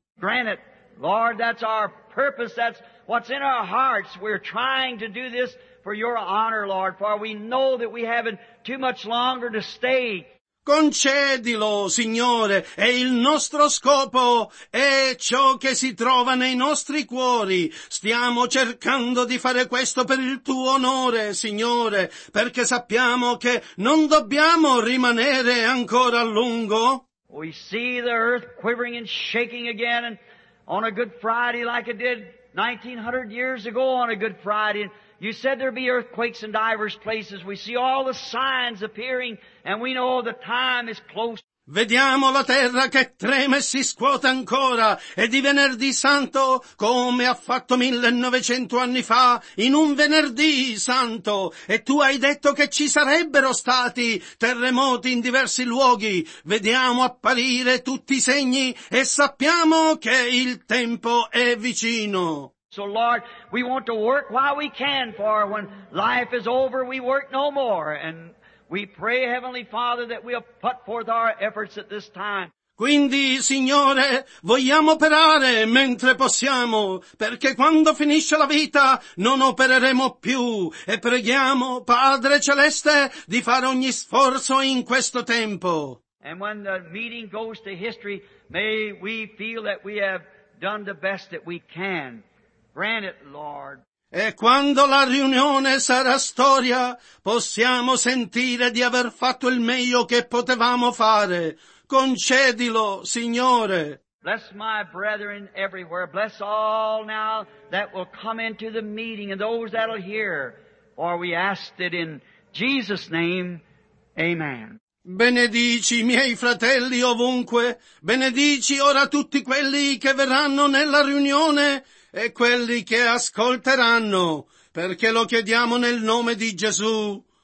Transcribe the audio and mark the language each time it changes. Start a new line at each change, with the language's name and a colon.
English: Grant it, Lord, that's our purpose, that's what's in our hearts. We're trying to do this for your honor, Lord, for we know that we haven't too much longer to stay.
Italian: Concedilo, Signore, e il nostro scopo è ciò che si trova nei nostri cuori. Stiamo cercando di fare questo per il tuo onore, Signore, perché sappiamo che non dobbiamo rimanere ancora a lungo.
English: We see the earth quivering and shaking again and on a good Friday like it did 1900 years ago on a good Friday. You said there'd be earthquakes in diverse places. We see all the signs appearing, and we know the time is close.
Italian: Vediamo la terra che treme e si scuote ancora, e di venerdì santo, come ha fatto 1900 anni fa, in un venerdì santo, e tu hai detto che ci sarebbero stati terremoti in diversi luoghi. Vediamo apparire tutti i segni, e sappiamo che il tempo è vicino.
English: So Lord, we want to work while we can, for when life is over, we work no more. And we pray, Heavenly Father, that we'll put forth our efforts at this time.
Italian: Quindi, Signore, vogliamo operare mentre possiamo, perché quando finisce la vita non opereremo più. E preghiamo, Padre Celeste, di fare ogni sforzo in questo tempo.
English: And when the meeting goes to history, may we feel that we have done the best that we can. Grant it, Lord.
Italian: E quando la riunione sarà storia, possiamo sentire di aver fatto il meglio che potevamo fare. Concedilo, Signore.
English: Bless my brethren everywhere. Bless all now that will come into the meeting and those that will hear. For we ask it in Jesus' name. Amen.
Italian: Benedici i miei fratelli ovunque. Benedici ora tutti quelli che verranno nella riunione e quelli che ascolteranno, perché lo chiediamo nel nome di Gesù.